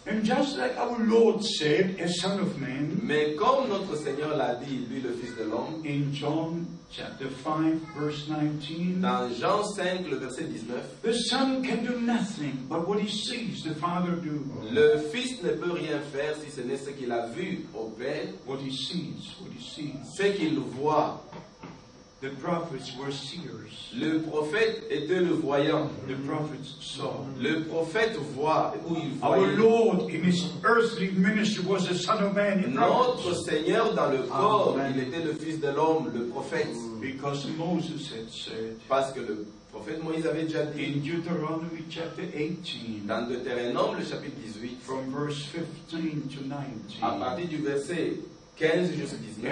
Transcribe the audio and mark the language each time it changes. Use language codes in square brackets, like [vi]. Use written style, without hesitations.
[en] And just like our Lord said, a son of man. [fr] Mais comme notre Seigneur l'a dit, lui le Fils de l'homme. [en] In John chapter 5, verse 19. [fr] Dans Jean 5, le verset 19. [en] The son can do nothing but what he sees the father do. [fr] Le Fils ne peut rien faire si ce n'est ce qu'il a vu au Père. [en] What he sees. [fr] Ce qu'il voit. [en] The prophets were seers. [fr] Le prophète était le voyant. [en] The prophets saw. [fr] Le prophète voit où il voit. [en] Our Lord in his earthly ministry was the Son of Man. [fr] Notre Seigneur dans le corps, il était le Fils de l'homme, le prophète. [en] Because Moses had said. [fr] Parce que le prophète Moïse avait déjà dit. [en] In Deuteronomy chapter 18. [fr] Dans Deutéronome le chapitre 18. [en] From verse 15 to 19. [fr] À partir du verset 15 jusqu'à 19.